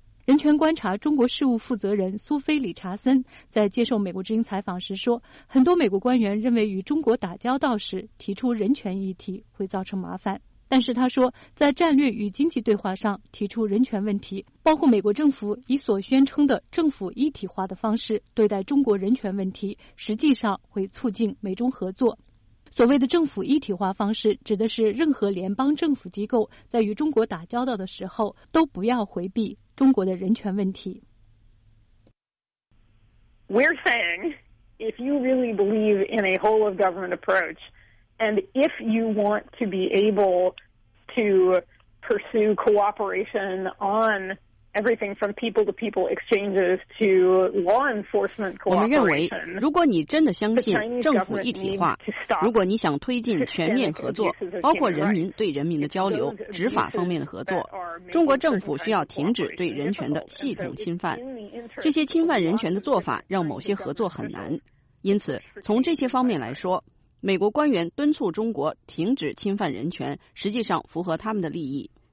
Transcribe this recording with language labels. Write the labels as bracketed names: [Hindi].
[Chinese] 人权观察中国事务负责人苏菲·理查森在接受美国之音采访时说，很多美国官员认为与中国打交道时提出人权议题会造成麻烦，但是他说，在战略与经济对话上提出人权问题，包括美国政府以所宣称的政府一体化的方式对待中国人权问题，实际上会促进美中合作。所谓的政府一体化方式，指的是任何联邦政府机构在与中国打交道的时候，都不要回避中国的人权问题。 [English] We're saying, if you really believe in a whole of government approach,And if you want to be able to pursue cooperation on everything from people to people exchanges to law enforcement cooperation, [Chinese] 我们认为，如果你真的相信政府一体化，如果你想推进全面合作，包括人民对人民的交流、执法方面的合作，中国政府需要停止对人权的系统侵犯。这些侵犯人权的做法让某些合作很难。因此，从这些方面来说，美国官员敦促中国停止侵犯人权，实际上符合他们的利益。